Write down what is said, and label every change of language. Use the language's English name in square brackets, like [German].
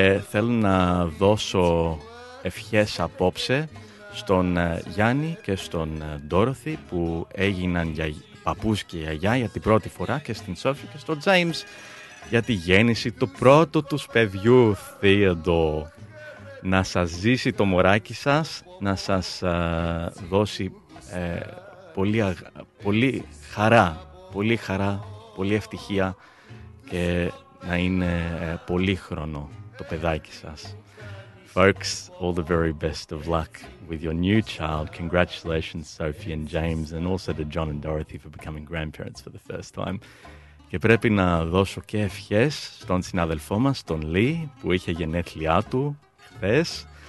[Greek] Θέλω να δώσω ευχές απόψε στον Γιάννη και στον Ντόροθι που έγιναν παππούς και γιαγιά για την πρώτη φορά, και στην Σόφη και στον Τζέιμς για τη γέννηση του πρώτου τους παιδιού, Θείοντο. Να σας ζήσει το μωράκι σας, να σας δώσει πολύ χαρά, πολύ χαρά, πολύ ευτυχία, και να είναι πολύχρονο το παιδάκι σας. [English] Folks, all the very best of luck with your new child. Congratulations, Sophie and James, and also to John and Dorothy for becoming grandparents for the first time. [Greek] Και πρέπει να δώσω και ευχές στον συναδελφό μας, τον Λί, που είχε γενέθλιά του χθες.